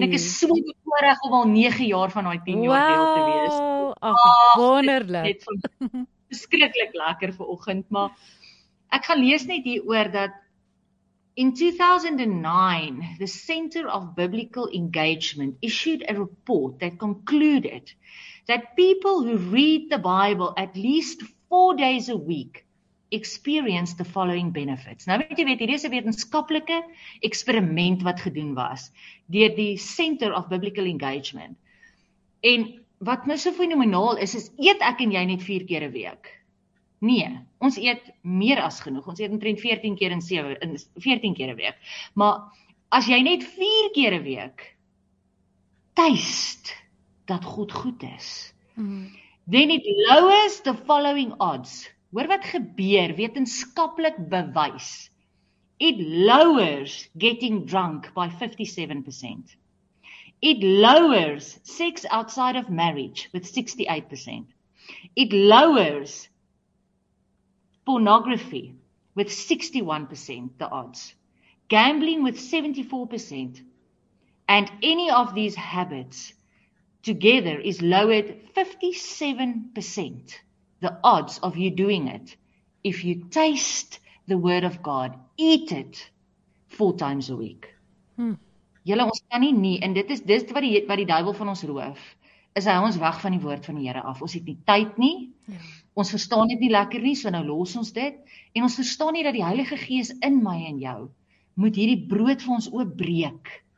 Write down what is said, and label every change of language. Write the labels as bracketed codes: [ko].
[af] En ek is so bevoorreg om al 9 jaar van daai 10 jaar wow, deel te wees. Ag, wonderlik. Dit is beskreeklik lekker vanoggend, maar ek gaan lees net hier oor dat [en] in 2009, the Center of Biblical Engagement issued a report that concluded that people who read the Bible at least 4 days a week experience the following benefits. [af] Nou weet jy, hier is 'n wetenskaplike eksperiment wat gedoen was deur die Center of Biblical Engagement. En wat my so fenomenaal is, is eet ek en jy net 4 keer 'n week. Nee, ons eet meer as genoeg. Ons eet omtrent 14 keer in 7 in 14 keer 'n week. Maar as jy net 4 keer 'n week tuist dat God goed is. [en] Then it lowers the following odds. [af] Hoor wat gebeur, wetenskaplik bewys. [en] It lowers getting drunk by 57%. It lowers sex outside of marriage with 68%. It lowers pornography with 61% the odds, gambling with 74%, and any of these habits together is lowered 57% the odds of you doing it if you taste the word of God, eat it 4 times a week. [af] Julle, ons kan nie nie, en dit is wat die duivel van ons roof, is hy ons weg van die woord van die Here af. Ons het nie tyd nie. Ons verstaan dit nie lekker nie, so nou los ons dit. En ons verstaan nie dat die Heilige Gees in my en jou moet hierdie brood vir ons oopbreek.